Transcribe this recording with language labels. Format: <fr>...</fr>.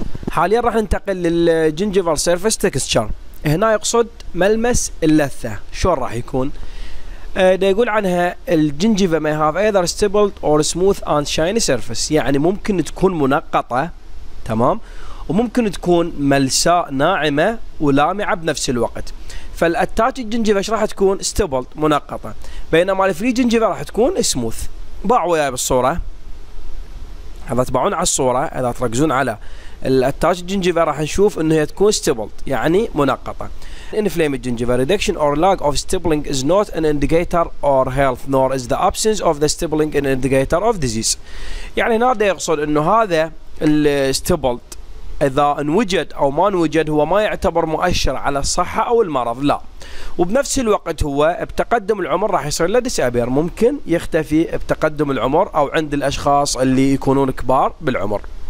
<ar>حاليا راح ننتقل للجنجيفال سيرفيس تكستشر. هنا يقصد ملمس اللثه شلون راح يكون؟ ده يقول عنها الجنجيفا</ar> <en>may have either stable or smooth and shiny surface,</en> <ar>يعني ممكن تكون منقطه تمام وممكن تكون ملساء ناعمه ولامعه بنفس الوقت. فالاتاتش الجنجيفا ايش راح تكون؟ ستيبل منقطه، بينما الفري جنجيفا راح تكون سموث. باعوا وياي بالصوره، هذا تبعون على الصوره اذا تركزون على التاج الجنجيفا راح نشوف انه هي تكون ستيبلد يعني منقطه.</ar> <en>Inflamed gingiva reduction or lack of stippling is not an indicator of health nor is the absence of the stippling an indicator of disease.</en> <ar>يعني هنا يقصد انه هذا الستيبلد اذا انوجد او ما انوجد هو ما يعتبر مؤشر على الصحه او المرض لا. وبنفس الوقت هو بتقدم العمر راح يصير له ديسابير ممكن يختفي بتقدم العمر او عند الاشخاص اللي يكونون كبار بالعمر.</ar>